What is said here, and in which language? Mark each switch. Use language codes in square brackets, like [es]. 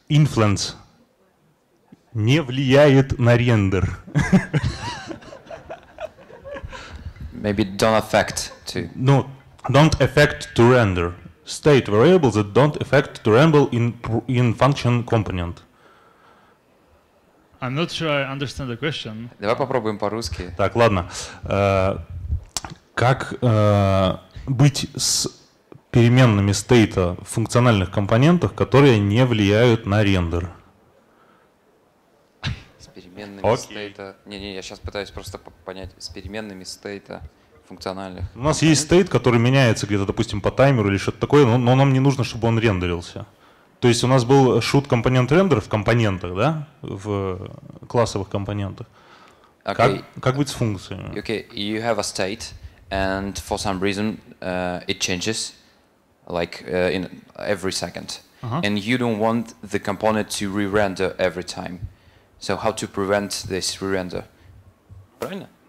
[en] Influence. [ru] Не влияет на render. [en] Maybe don't affect to. No. Don't affect to render. State variables that don't affect to render in function component. I'm not sure I understand the question. [ru] Давай попробуем по-русски. Так, ладно. Как быть с переменными стейта в функциональных компонентах, которые не влияют на рендер? С переменными стейта... Не-не, я сейчас пытаюсь просто понять. С переменными стейта... функциональных. У нас есть state, который меняется где-то, допустим, по таймеру или что-то такое, но нам не нужно, чтобы он рендерился. То есть у нас был shoot компонент рендер в компонентах, да, в классовых компонентах. [en] Okay. [ru] Как быть с функциями? [en] Okay, you have a state, and for some reason it changes, like in every second, and you don't want the component to re-render every time. So how to prevent this re-render? [ru] Правильно?